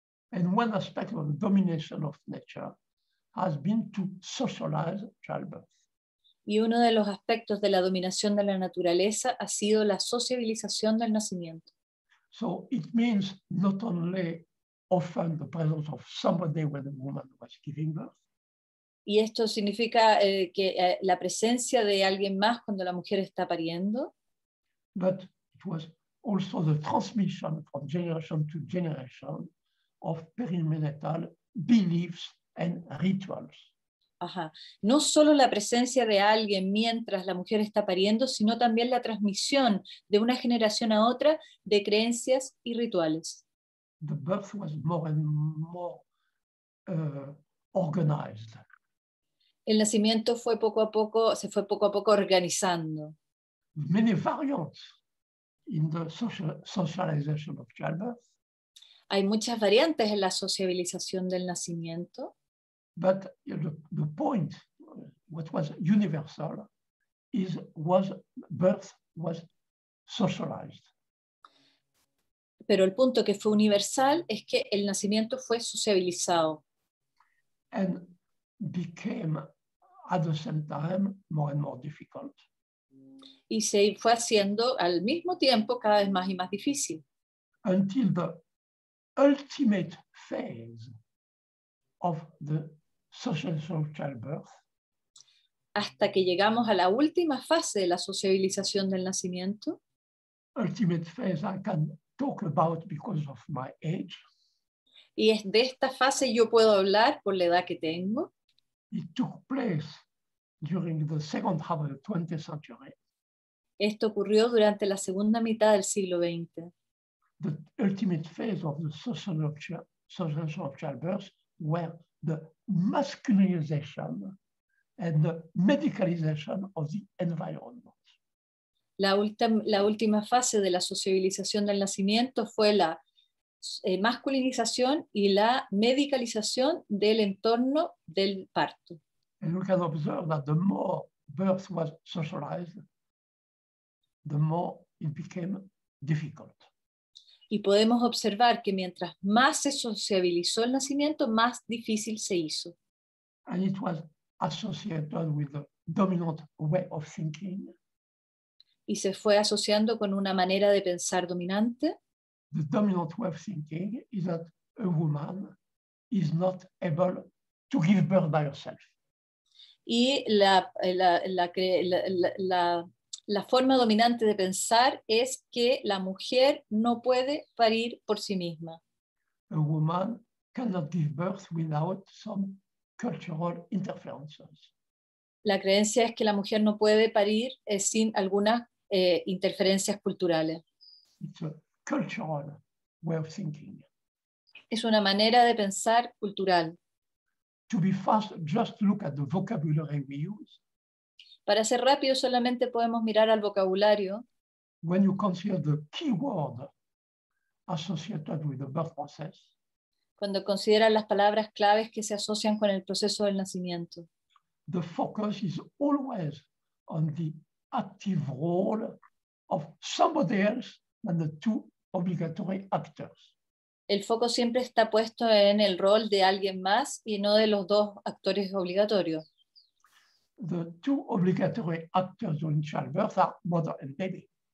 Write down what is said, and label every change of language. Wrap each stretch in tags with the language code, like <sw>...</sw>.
<en>And one aspect of the domination of nature has been to socialize childbirth.</en> <es>Y uno de los aspectos de la dominación de la naturaleza ha sido la sociabilización del nacimiento.</es> <en>So it means not only often the presence of somebody when a woman was giving birth.</en> <es>Y esto significa que la presencia de alguien más cuando la mujer está pariendo.</es> <en>But it was also the transmission from generation to generation of perimenopausal beliefs and rituals. Ajá.</en> <es>No solo la presencia de alguien mientras la mujer está pariendo, sino también la transmisión de una generación a otra de creencias y rituales.</es> <en>The birth was more and more organized.</en> <es>El nacimiento se fue poco a poco organizando.</es> <en>Many variants in the socialization of childbirth.</en> <es>Hay muchas variantes en la sociabilización del nacimiento.</es> <en>But the point, what was universal, was birth was socialized.</en> <es>Pero el punto que fue universal es que el nacimiento fue sociabilizado.</es> <en>And became at the same time more and more difficult.</en> <es>Y se fue haciendo al mismo tiempo cada vez más y más difícil.</es> <en>Until the ultimate phase of the socialization of childbirth.</en> <es>Hasta que llegamos a la última fase de la sociabilización del nacimiento.</es> <en>Ultimate phase I can talk about because of my age.</en> <es>Y es de esta fase yo puedo hablar por la edad que tengo.</es> <en>It took place during the second half of the 20th century.</en> <es>Esto ocurrió durante la segunda mitad del siglo XX.</es> <en>The ultimate phase of the socialization of childbirth were the masculinization and the medicalization of the environment.</en> <es>la última fase de la sociabilización del nacimiento fue la masculinización y la medicalización del entorno del parto.</es> <en>And we can observe that the more birth was socialized, the more it became difficult.</en> <es>Y podemos observar que mientras más se sociabilizó el nacimiento, más difícil se hizo.</es> <en>And it was associated with the dominant way of thinking.</en> <es>Y se fue asociando con una manera de pensar dominante.</es> <en>The dominant way of thinking is that a woman is not able to give birth by herself.</en> <es>Y la forma dominante de pensar es que la mujer no puede parir por sí misma.</es> <en>A woman cannot give birth without some cultural interferences.</en> <es>La creencia es que la mujer no puede parir sin algunas interferencias culturales.</es> <en>It's a cultural way of thinking.</en> <es>Es una manera de pensar cultural.</es> <en>To be fast, just look at the vocabulary we use.</en> <es>Para ser rápido, solamente podemos mirar al vocabulario.</es> <en>When you consider the keyword associated with the birth process.</en> <es>Cuando consideras las palabras claves que se asocian con el proceso del nacimiento.</es> <en>The focus is always on the active role of somebody else than the two obligatory actors.</en> <es>El foco siempre está puesto en el rol de alguien más y no de los dos actores obligatorios.</es> <en>The two obligatory actors during childbirth are mother and baby.</en>